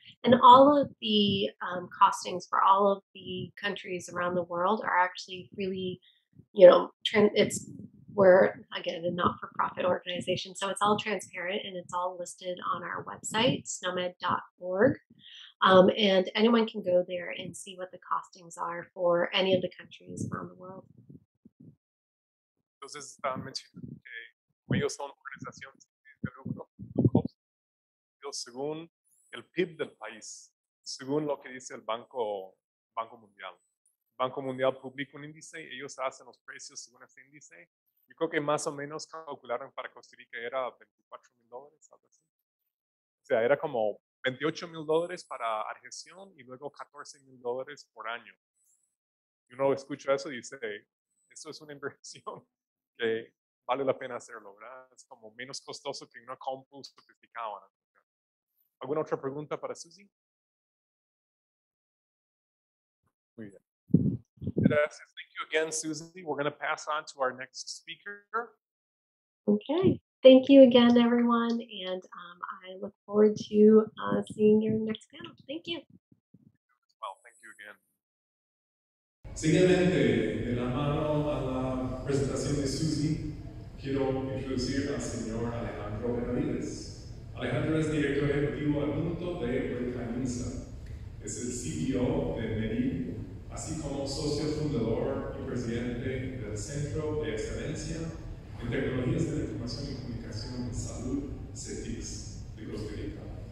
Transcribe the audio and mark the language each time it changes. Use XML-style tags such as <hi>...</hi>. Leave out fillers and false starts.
<en>And all of the costings for all of the countries around the world are actually really, you know, we're a not-for-profit organization, so it's all transparent and it's all listed on our website, snomed.org. And anyone can go there and see what the costings are for any of the countries around the world.</en> <es>Entonces, ellos son organizaciones de lucro, según el PIB del país, según lo que dice el Banco Mundial. El Banco Mundial publica un índice, ellos hacen los precios según ese índice. Yo creo que más o menos calcularon para Costa Rica era $24,000, algo así. O sea, era como $28,000 para adhesión y luego $14,000 por año. Y uno escucha eso y dice, eso es una inversión que vale la pena hacerlo, ¿verdad? Es como menos costoso que una compu sofisticada. ¿Alguna otra pregunta para Susie? Muy bien. Gracias.</es> <en>Thank you again, Susie. We're going to pass on to our next speaker. Okay. Thank you again, everyone. And I look forward to seeing your next panel. Thank you. Well, thank you again.</en> <es>Siguiente, de la mano a la presentación de Susie, quiero introducir al señor Alejandro Benavides. Alejandro es director ejecutivo adjunto de Bricaniza. Es el CEO de Medin, así como socio fundador y presidente del Centro de Excelencia en Tecnologías de la Información y Comunicación en Salud, CETICS, de Costa Rica.</es>